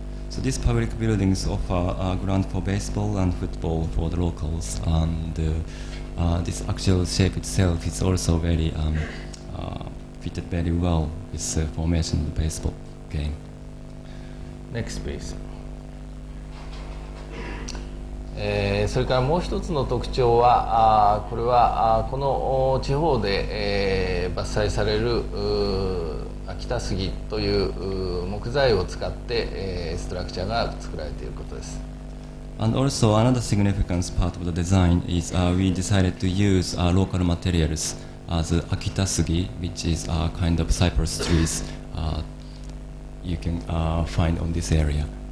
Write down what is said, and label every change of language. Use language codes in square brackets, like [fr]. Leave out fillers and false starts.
[en] So these public buildings offer a ground for baseball and football for the locals, and this actual shape itself is also very fitted very well with the formation of the baseball game. Next please. [ja] それからもう一つの特徴は、これはこの地方で伐採される秋田杉という木材を使ってストラクチャが作られていることです。 [en] And also another significant part of the design is we decided to use local materials as Akita Sugi, which is a kind of cypress trees you can find on this area.